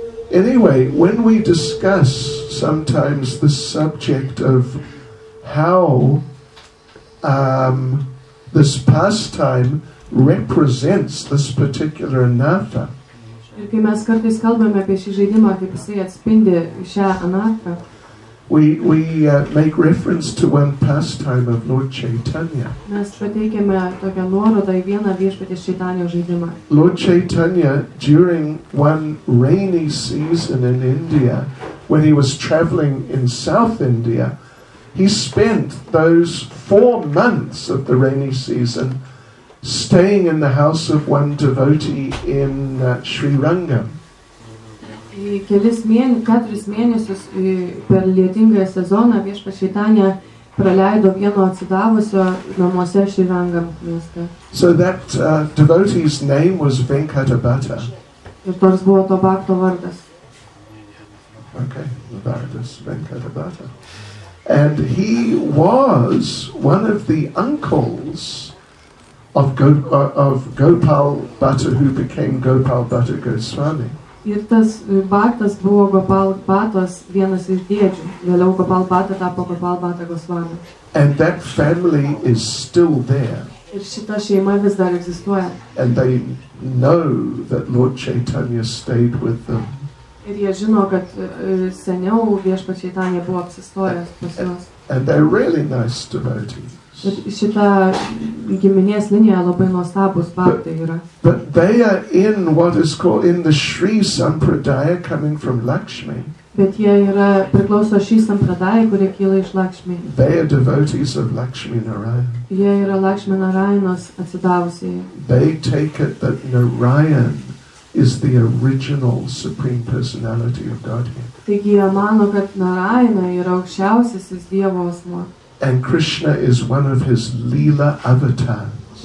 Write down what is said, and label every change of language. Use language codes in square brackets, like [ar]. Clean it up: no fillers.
[en] Anyway, when we discuss sometimes the subject of how this pastime represents this particular anatta. [lt] Ir kai mes kartais kalbame apie šį žaidimą, kaip jisai atspindi šią anatą. [en] We make reference to one pastime of Lord Chaitanya. [lt] Mes pateikėme tokią nuorodą į vieną viešpaties Čaitanijos žaidimą. [en] Lord Chaitanya, during one rainy season in India, when he was traveling in South India, he spent those 4 months of the rainy season staying in the house of one devotee in Sri Rangam. [lt] Keturis mėnesius per lietingąją sezoną viešpats Čaitanja praleido vieno atsidavusio namuose Sri Rangam mieste. [en] So that devotee's name was Venkatabhata. [lt] Ir toks buvo to bhakto vardas. [en] Okay, the bhaktas Venkatabhata. And he was one of the uncles of Gopal Bhatta, who became Gopal Bhatta Goswami. [lt] Ir tas Bhaktas buvo Gopal Bhattas, vienas iš dėdžių. Vėliau Gopal Bhatta tapo Gopal Bhatta Goswami. [en] And that family is still there. [lt] Ir šita šeima vis dar egzistuoja. [en] And they know that Lord Chaitanya stayed with them. [lt] Ir jie žino, kad seniau viešpats Čaitanja buvo apsistojęs pas juos. [en] And they're really nice devotees. [lt] Ir šita giminės linija labai nuostabus bhaktai yra. [en] But they are in what is called in the Sri Sampradaya coming from Lakshmi. [lt] Bet jie yra priklauso Sri Sampradaya, kuri kyla iš Lakshmi. [en] They are devotees of Lakshmi Narayan. [lt] Jie yra Lakshmi Narayanos atsidavusieji. [en] They take it that Narayan is the original Supreme Personality of Godhead. [lt] Taigi jie mano, kad Narayana yra aukščiausiasis Dievo asmuo. [en] And Krishna is one of his Leela avatars.